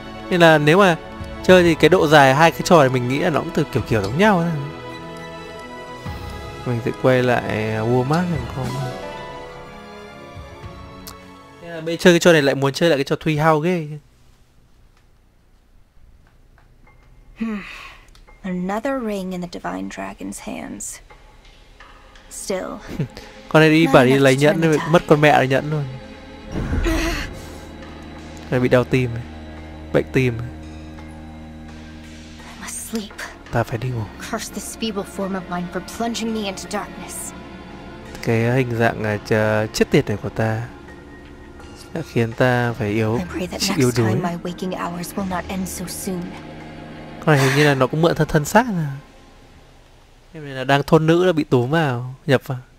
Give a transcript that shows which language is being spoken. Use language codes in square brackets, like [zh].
[vi] Nên là nếu mà chơi thì cái độ dài hai cái trò này mình nghĩ là nó cũng từ kiểu kiểu giống nhau ấy. Mình sẽ quay lại Walmart làm con. Bây giờ chơi cái trò này lại muốn chơi lại cái trò Thuy Hao ghê. [en] Another ring in the Divine Dragon's hands. Still. [vi] Con này đi bà đi lấy nhẫn rồi, mất con mẹ rồi nhẫn luôn. Này bị đau tim, bệnh tim. [en] I must sleep. [vi] Ta phải đi ngủ. [en] Curse this feeble form of mine for plunging me into darkness. [vi] Cái hình dạng chết tiệt này của ta đã khiến ta phải yếu đuối. [en] My waking hours will not end so soon. [vi] Con này hình như là nó cũng mượn thân xác à. Em này là đang thôn nữ đã bị túm vào, nhập vào.